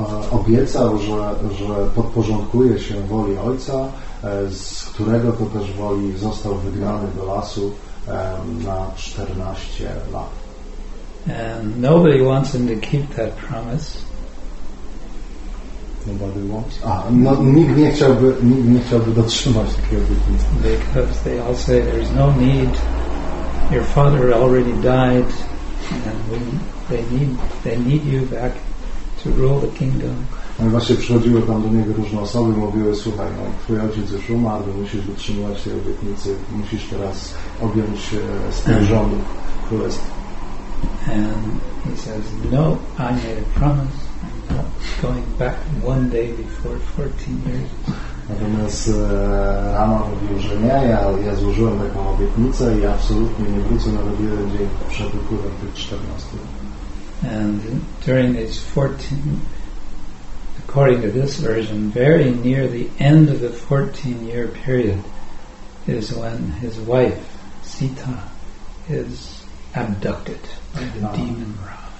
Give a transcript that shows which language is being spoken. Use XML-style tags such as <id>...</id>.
<pl>Obiecał, że podporządkuje się woli ojca, z którego to też woli został wygnany do lasu na 14 lat.</pl> <en>And nobody wants him to keep that promise. Nobody wants.</en> <pl>Nikt nie chciałby dotrzymać takiego obietnicy.</pl> <en>Because they all say there's no need. Your father already died, and they need you back to rule the kingdom.</en> <pl>No i właśnie przychodziły tam do niego różne osoby, mówiły: słuchaj, no, twój ojciec już umarł, musisz dotrzymywać tej obietnicy, musisz teraz objąć sprężony królestwa.</pl> <en>And he says, no, I made a promise. Going back one day before 14 years.</en> <pl>Natomiast Rama mówił, że nie, ja złożyłem taką obietnicę i absolutnie nie wrócę nawet jeden dzień przed upływem tych 14 lat.</pl> <en>And during these 14, according to this version, very near the end of the 14-year period is when his wife, Sita, is abducted by the demon Ra.</en>